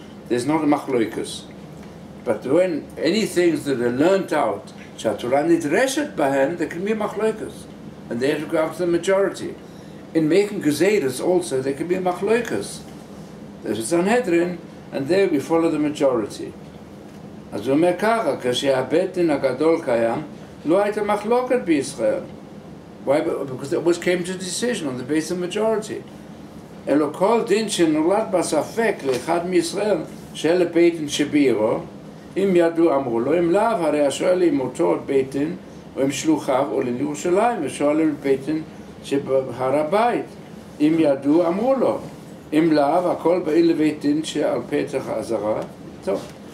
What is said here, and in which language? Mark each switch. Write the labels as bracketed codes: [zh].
[en] There's not a machloikus. But when any things that are learnt out, [he] Shatorah nidreshet bahen, [en] there can be a machloikus. And they have to go after the majority. In making gezeiros also, there can be a machloikus. There's a Sanhedrin, and there we follow the majority. [he] אז הוא אומר ככה, כשהבית דין הגדול קיים, לא הייתה מחלוקת בישראל. [en] Why? Because it came to a decision on the basis of majority. [he] אלו כל דין שנולד בספק לאחד מישראל, שאל לבית דין שבירו, אם ידעו אמרו לו, אם לאו, הרי השואל עם אותו בית דין, או עם שלוחיו, או לירושלים, ושואלים לבית דין שבהר הבית, אם ידעו אמרו לו, אם לאו, הכל באים לבית דין שעל פתח עזרה, טוב.